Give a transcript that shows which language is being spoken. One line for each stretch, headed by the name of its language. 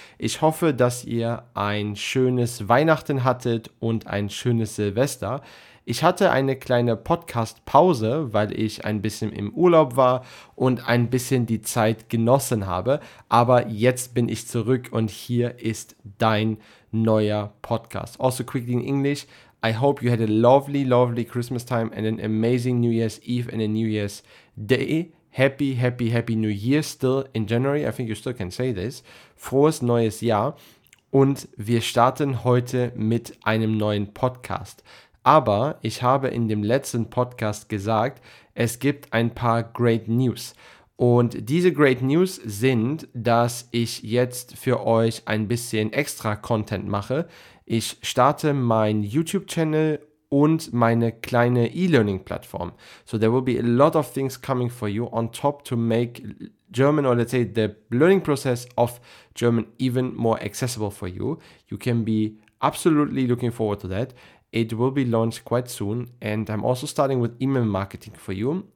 German: Ich hoffe, dass ihr ein schönes Weihnachten hattet und ein schönes Silvester. Ich hatte eine kleine Podcast-Pause, weil ich ein bisschen im Urlaub war und ein bisschen die Zeit genossen habe. Aber jetzt bin ich zurück und hier ist dein neuer Podcast.
English: Also quickly in English, I hope you had a lovely, lovely Christmas time and an amazing New Year's Eve and a New Year's Day. Happy, happy, happy New Year still in January. I think you still can say this.
German: Frohes neues Jahr. Und wir starten heute mit einem neuen Podcast. Aber ich habe in dem letzten Podcast gesagt, es gibt ein paar Great News. Und diese Great News sind, dass ich jetzt für euch ein bisschen extra Content mache. Ich starte meinen YouTube-Channel und meine kleine E-Learning-Plattform.
English: So there will be a lot of things coming for you on top to make German, or let's say the learning process of German, even more accessible for you. You can be absolutely looking forward to that. It will be launched quite soon, and I'm also starting with email marketing for you.